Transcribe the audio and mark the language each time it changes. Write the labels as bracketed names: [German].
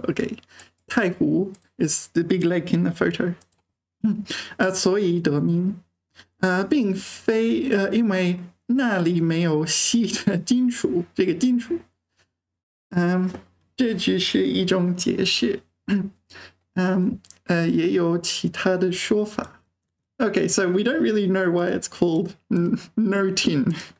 [English] OK，太湖 is the big lake in the photo. [Chinese] 所以得名，并非因为那里没有稀的金属，这个金属，这只是一种解释，也有其他的说法。 [English] Okay, so we don't really know why it's called no tin.